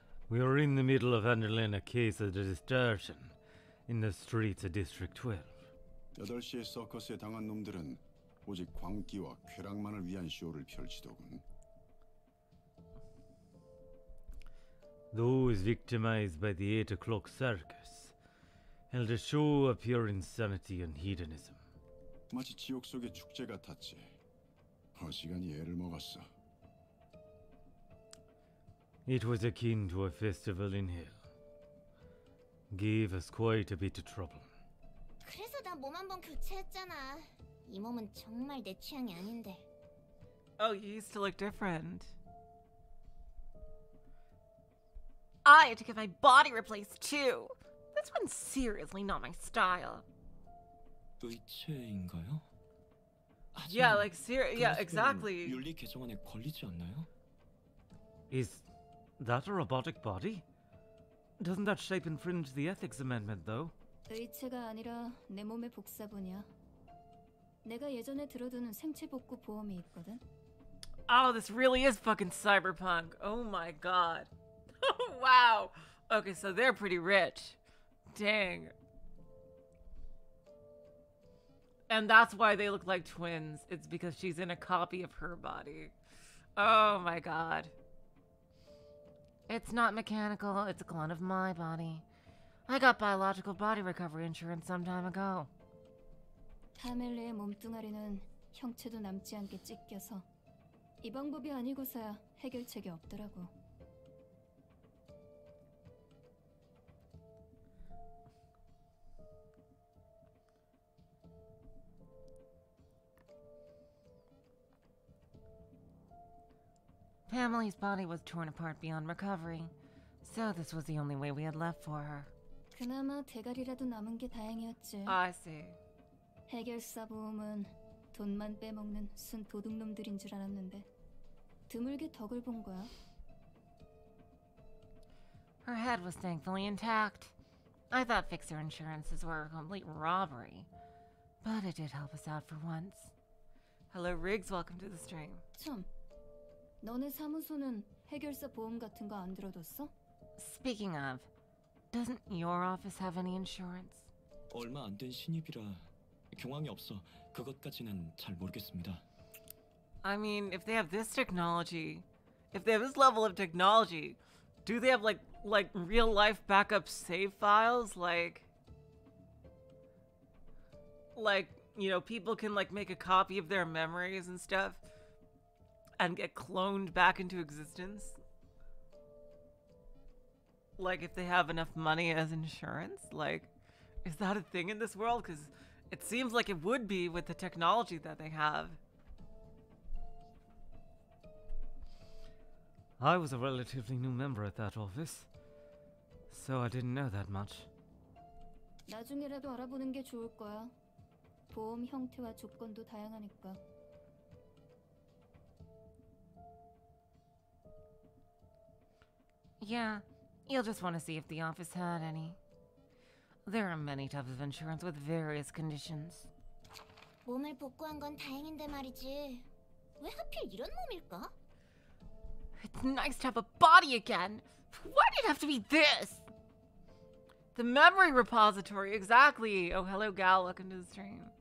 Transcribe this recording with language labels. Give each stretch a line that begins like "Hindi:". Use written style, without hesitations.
English: We are in the middle of handling a case of distortion in the streets of District 12.
Korean: 8시에 서커스에 당한 놈들은 오직 광기와 쾌락만을 위한 쇼를 펼치더군.
English: Those victimized by the 8 o'clock circus held a show of pure insanity and hedonism.
Korean: 마치 지옥 속의 축제 같았지. 어지간히 애를 먹었어.
English: It was akin to a festival in hell. Gave us quite a bit of trouble.
Korean: 그래서 나 몸 한번 교체했잖아. 이 몸은 정말 내 취향이 아닌데.
English: Oh, you used to look different. I had to get my body replaced too. This one's seriously not my style.
Korean: 의체인가요?
English: Yeah, like seriously. Yeah, exactly.
Korean: 윤리 개정안에 걸리지 않나요?
English: Is that a robotic body? Doesn't that shape infringe the ethics amendment, though?
Korean: 의체가 아니라 내 몸의 복사본이야. 내가 예전에 들어두는 생체 복구 보험이 있거든.
English: Oh, this really is fucking cyberpunk. Oh my god. Wow. Okay, so they're pretty rich. Dang. And that's why they look like twins. It's because she's in a copy of her body. Oh my god. It's not mechanical, it's a clone of my body. I got biological body recovery insurance some time ago.
Korean: 파멜리의 몸뚱아리는 형체도 남지 않게 찢겨서 이 방법이 아니고서야 해결책이 없더라고.
English: 'Pamela's body was torn apart beyond recovery, so this was the only way we had left for her.
Korean: 그나마 대가리라도 남은 게 다행이었지.
English: I see.
Korean: 해결사 보험은 돈만 빼먹는 순 도둑놈들인 줄 알았는데 드물게 덕을 본 거야.
English: Her head was thankfully intact. I thought fixer insurances were a complete robbery, but it did help us out for once. Hello, Riggs. Welcome to the stream.
Korean: 참. 너네 사무소는 해결사 보험 같은 거 안 들어뒀어?
English: Speaking of, doesn't your office have any insurance?
Korean: 얼마 안 된 신입이라 경황이 없어 그것까지는 잘 모르겠습니다.
English: I mean, if they have this technology, if they have this level of technology, do they have like real life backup save files? Like you know, people can like make a copy of their memories and stuff. And get cloned back into existence? Like, if they have enough money as insurance? Like, is that a thing in this world? Because it seems like it would be with the technology that they have. I was a relatively new member at that office, so I didn't know that much.
Korean: 나중에라도 알아보는 게 좋을 거야. 보험 형태와 조건도 다양하니까.
English: Yeah, you'll just want to see if the office had any. There are many types of insurance with various conditions.
Korean: 몸을 복구한 건 다행인데 말이지. 왜 하필 이런 몸일까?
English: It's nice to have a body again. Why did it have to be this? The memory repository, exactly. Oh, hello, gal. Welcome to the stream.